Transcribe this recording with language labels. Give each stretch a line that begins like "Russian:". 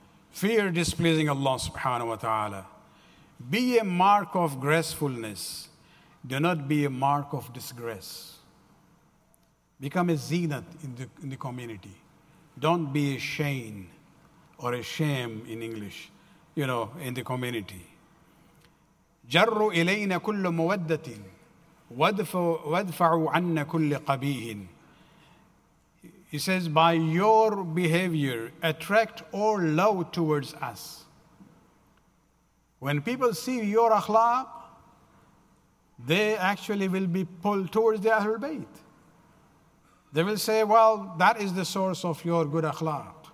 English: Fear displeasing Allah subhanahu wa ta'ala. Be a mark of gracefulness. Do not be a mark of disgrace. Become a zenith in the community. Don't be a shame or a shame in English, you know, in the community.
Arabic: جروا إلينا كل مودة وادفعوا عنا كل قبيح.
English: He says, by your behavior, attract all love towards us. When people see your akhlaq, they actually will be pulled towards the Ahlul Bayt. They will say, well, that is the source of your good akhlaq.